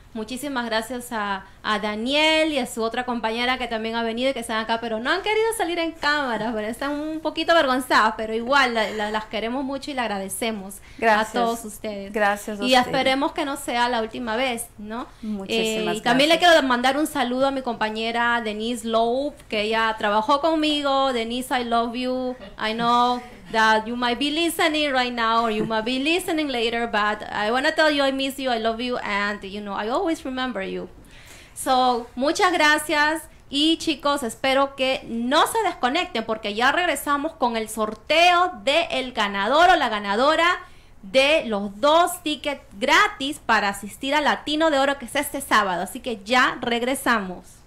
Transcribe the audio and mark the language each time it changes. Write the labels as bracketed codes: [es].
[es] Muchísimas gracias a Daniel y a su otra compañera que también ha venido y que están acá, pero no han querido salir en cámara, pero están un poquito avergonzadas, pero igual las queremos mucho y le agradecemos gracias. A todos ustedes. Gracias a ustedes. Y esperemos que no sea la última vez, ¿no? Muchísimas gracias. Y también le quiero mandar un saludo a mi compañera Denise Lowe, que ella trabajó conmigo. [en] Denise, I love you. I know that you might be listening right now or you might be listening later, but I want to tell you I miss you, I love you, and you know, I always remember you. [es] So, muchas gracias y chicos, espero que no se desconecten porque ya regresamos con el sorteo de el ganador o la ganadora de los 2 tickets gratis para asistir al Latino de Oro que es este sábado, así que ya regresamos.